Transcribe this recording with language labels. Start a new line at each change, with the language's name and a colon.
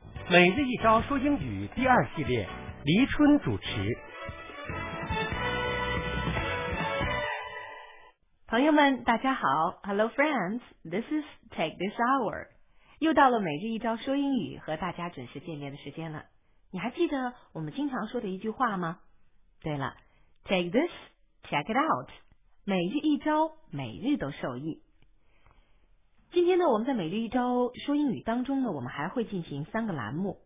Chinese: 每日一招说英语第二系列，黎春主持。朋友们，大家好 ，
English: Hello friends, this is Take This Hour。
Chinese: 又到了每日一招说英语和大家准时见面的时间了。你还记得我们经常说的一句话吗？对了 ，
English: Take this, check it out。
Chinese: 每日一招，每日都受益。今天呢，我们在每日一招说英语当中呢，我们还会进行三个栏目。